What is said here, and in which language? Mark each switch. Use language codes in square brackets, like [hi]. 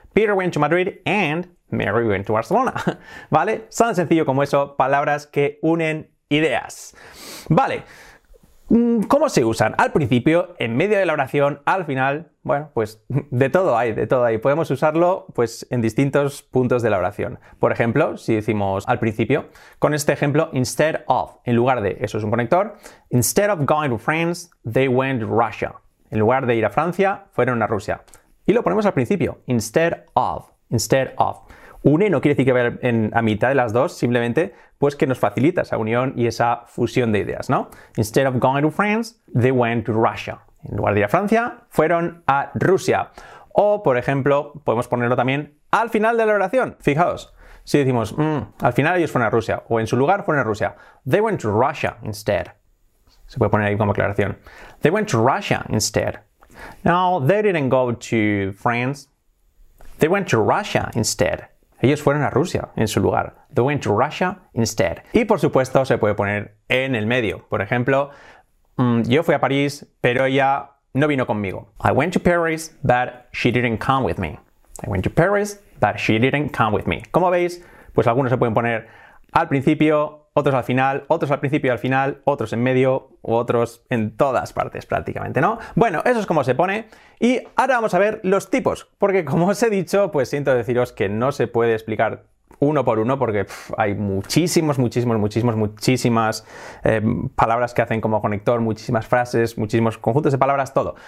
[en] Peter went to Madrid and Mary went to Barcelona. [es] ¿Vale? Tan sencillo como eso, palabras que unen ideas. Vale. ¿Cómo se usan? Al principio, en medio de la oración, al final, bueno, pues de todo hay, de todo hay. Podemos usarlo pues en distintos puntos de la oración. Por ejemplo, si decimos al principio, con este ejemplo, [en] instead of, [es] en lugar de, eso es un conector, [en] instead of going to France, they went to Russia. [es] En lugar de ir a Francia, fueron a Rusia. Y lo ponemos al principio, [en] instead of, instead of. [es] Une no quiere decir que vaya a mitad de las dos, simplemente pues que nos facilita esa unión y esa fusión de ideas, ¿no? [en] Instead of going to France, they went to Russia. [es] En lugar de ir a Francia, fueron a Rusia. O, por ejemplo, podemos ponerlo también al final de la oración. Fijaos, si decimos, al final ellos fueron a Rusia, o en su lugar fueron a Rusia. [en] They went to Russia instead. [es] Se puede poner ahí como aclaración. [en] They went to Russia instead. No, they didn't go to France. They went to Russia instead. [es] Ellos fueron a Rusia en su lugar. [en] They went to Russia instead. [es] Y por supuesto se puede poner en el medio. Por ejemplo, yo fui a París, pero ella no vino conmigo. [en] I went to Paris, but she didn't come with me. I went to Paris, but she didn't come with me. [es] Como veis, pues algunos se pueden poner al principio, otros al final, otros al principio y al final, otros en medio, otros en todas partes prácticamente, ¿no? Bueno, eso es como se pone. Y ahora vamos a ver los tipos. Porque como os he dicho, pues siento deciros que no se puede explicar uno por uno porque hay muchísimos, muchísimos, muchísimos, muchísimas palabras que hacen como conector, muchísimas frases, muchísimos conjuntos de palabras, todo.